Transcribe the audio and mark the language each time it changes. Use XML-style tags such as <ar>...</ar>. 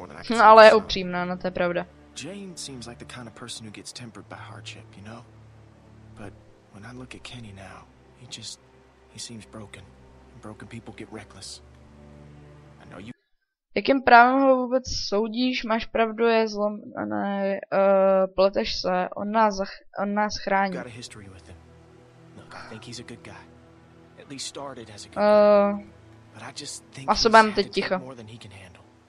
<cs>No, ale je upřímná, no, to je pravda.</cs> <en>Jane seems like the kind of person who gets tempered by hardship, you know? But when I look at Kenny now, he seems broken. And broken people get reckless. I know you.</en> <cs>Jakým právem ho vůbec soudíš? Máš pravdu, je zlomené, pleteš se, on nás chrání.</cs> <en>Got a history with him. Look, I think he's a good guy. At least started as a good guy. But I just think he's had to take more than he can handle.</en>